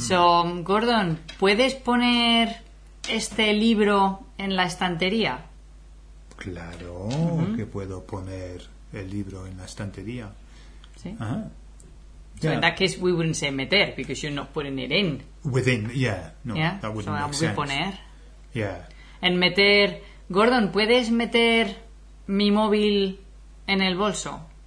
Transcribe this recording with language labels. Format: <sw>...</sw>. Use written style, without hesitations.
<en>So,</en> <es>Gordon, ¿puedes poner este libro en la estantería? Claro, mm-hmm. que puedo poner el libro en la estantería. Sí. Uh-huh.</es> <en>So in that case, we wouldn't say meter, because you're not putting it in. Within, yeah. No, yeah? That wouldn't make sense. So poner. Yeah.</en> <es>En meter... Gordon, ¿puedes meter mi móvil en el bolso?</es>